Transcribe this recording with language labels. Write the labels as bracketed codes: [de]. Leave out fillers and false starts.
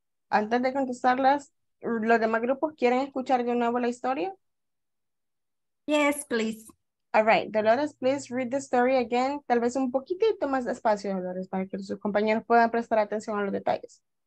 [es] Antes de contestarlas, ¿los demás grupos quieren escuchar de nuevo la historia? [en] Yes, please. All right, Dolores, please read the story again. [es] Tal vez un poquitito más despacio, Dolores, para que sus compañeros puedan prestar atención a los detalles.